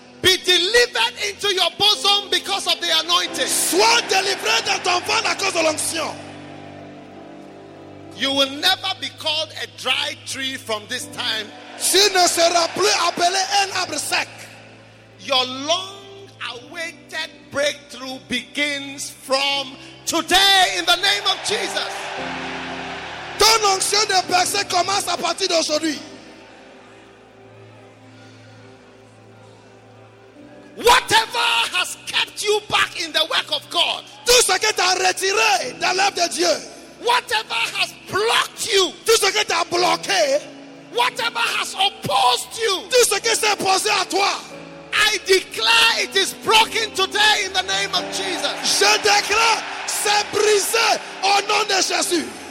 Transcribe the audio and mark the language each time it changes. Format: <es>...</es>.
<en>Be delivered into your bosom because of the anointing.</en> <fr>Soit délivré dans ton ventre à cause de l'onction.</fr> <en>You will never be called a dry tree from this time.</en> <fr>Tu ne seras plus appelé un arbre sec.</fr> <en>Your long-awaited breakthrough begins from today in the name of Jesus.</en> <fr>Ton onction de percée commence à partir d'aujourd'hui.</fr> <en>Whatever has kept you back in the work of God.</en> <fr>Tout ce qui t'a retiré dans l'œuvre de Dieu.</fr> <en>Whatever has blocked you.</en> <fr>Tout ce qui t'a bloqué.</fr> <en>Whatever has opposed you.</en> <fr>Tout ce qui s'est opposé à toi.</fr> <en>I declare it is broken today in the name of Jesus.</en> <fr>Je déclare, c'est brisé au nom de Jésus.</fr>